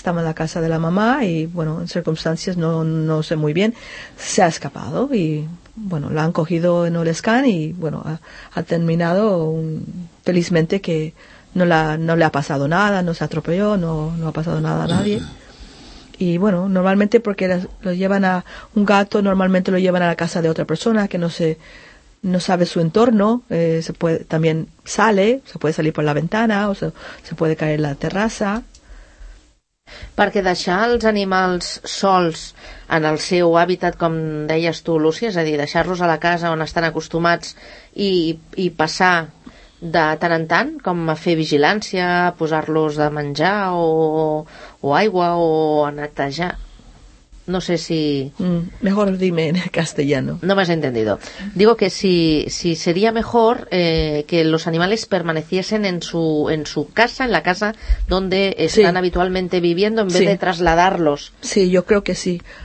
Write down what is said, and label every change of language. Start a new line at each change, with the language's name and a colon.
Spanish: Estaba en la casa de la mamá y, bueno, en circunstancias no sé muy bien, se ha escapado y, bueno, la han cogido en el scan y, bueno, ha terminado felizmente que no le ha pasado nada, no se atropelló, no ha pasado nada a nadie. Y bueno, normalmente porque lo llevan a la casa de otra persona que no sabe su entorno, se puede salir por la ventana o se puede caer en la terraza.
Catalan: Perquè deixar els animals sols en el seu hàbitat, com deies tu, Lucy, és a dir, deixar-los a la casa on estan acostumats i passar de tant en tant, com a fer vigilància, posar-los de menjar o aigua o a netejar. No sé si...
Spanish: Mejor dime en castellano. No me has entendido. Digo que si sería mejor que los animales permaneciesen en su casa, en la casa donde están habitualmente viviendo, en vez de trasladarlos. Sí, yo creo que sí.